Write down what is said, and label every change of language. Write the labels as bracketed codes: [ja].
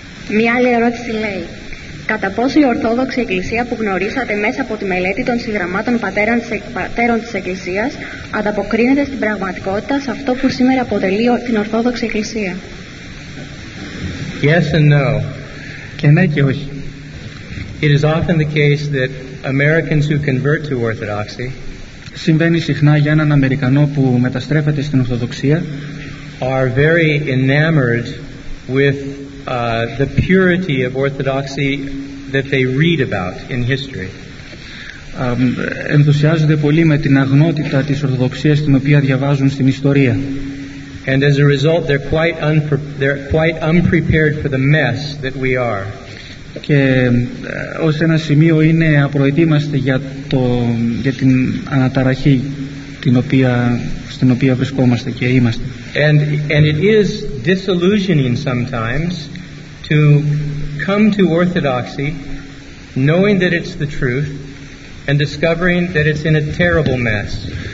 [el] Μια άλλη ερώτηση λέει: κατά πόσο η Ορθόδοξη Εκκλησία που γνωρίσατε μέσα από τη μελέτη των συγγραμμάτων πατέρων της Εκκλησίας ανταποκρίνεται στην πραγματικότητα σε αυτό που σήμερα αποτελεί την Ορθόδοξη Εκκλησία? [en] Yes and no. [el] Και ναι και όχι. [en] It is often the case that Americans who convert to Orthodoxy, [el] συμβαίνει συχνά για έναν Αμερικανό που μεταστρέφεται στην Ορθοδοξία, [en] are very enamored with the purity of Orthodoxy that they read about in history. [el] Ενθουσιάζονται πολύ με την αγνότητα της Ορθοδοξίας την οποία διαβάζουν στην ιστορία. [en] And as a result, they're quite unprepared for the mess that we are. [el] Και ως ένα σημείο είναι απροετοίμαστοι για το, για την αναταραχή την οποία, στην οποία βρισκόμαστε και είμαστε. [en] And it is disillusioning sometimes to come to Orthodoxy knowing that it's the truth and discovering that it's in a terrible mess.